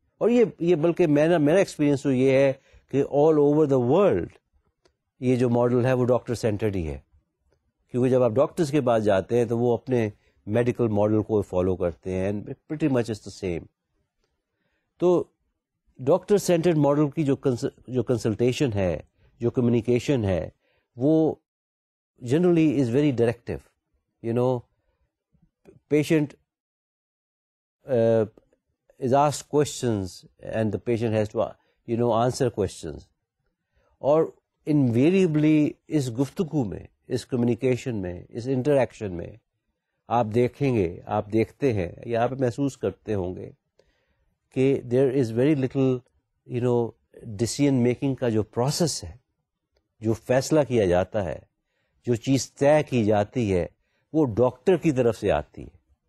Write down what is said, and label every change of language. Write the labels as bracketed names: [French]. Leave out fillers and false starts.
[Urdu] اور یہ بلکہ میرا ایکسپیرئنس تو یہ ہے کہ [English] all over the world [Urdu] یہ جو ماڈل ہے وہ ڈاکٹر سینٹرڈ ہی ہے, کیونکہ جب آپ ڈاکٹرس کے پاس جاتے ہیں تو وہ اپنے میڈیکل ماڈل کو فالو کرتے ہیں, [English] Pretty much is the same. [Urdu] تو ڈاکٹر سینٹرڈ ماڈل کی جو کنسلٹیشن ہے, جو کمیونیکیشن ہے, وہ generally [English] Is very directive. You know patient is asked questions and the patient has to you know answer questions. [Urdu] اور انویریبلی اس گفتگو میں, اس کمیونیکیشن میں, اس انٹریکشن میں آپ دیکھیں گے, آپ دیکھتے ہیں یا آپ محسوس کرتے ہوں گے کہ [English] there is very little you know decision making [Urdu] کا جو پروسیس ہے, جو فیصلہ کیا جاتا ہے, جو چیز طے کی جاتی ہے, وہ ڈاکٹر کی طرف سے آتی ہے.